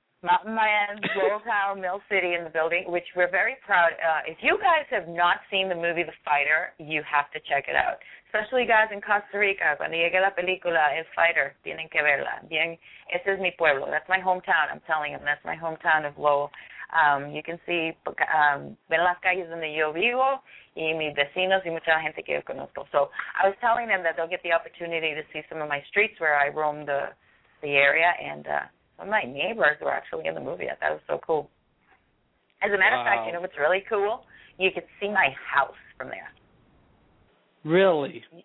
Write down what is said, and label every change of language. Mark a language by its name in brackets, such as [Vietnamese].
[English] Mountain Man, Lowell Tower, Mill City in the building, which we're very proud. If you guys have not seen the movie The Fighter, you have to check it out. Especially guys in Costa Rica. [Spanish] Cuando llega la película, El Fighter, tienen que verla. Bien, ese es mi pueblo. [English] That's my hometown, I'm telling them. That's my hometown of Lowell. You can see, [Spanish] ven las calles donde yo vivo, y mis vecinos y mucha gente que yo conozco. [English] So I was telling them that they'll get the opportunity to see some of my streets where I roam the area, and some of my neighbors were actually in the movie. I thought it was so cool. As a matter of fact, you know what's really cool? You can see my house from there. Really?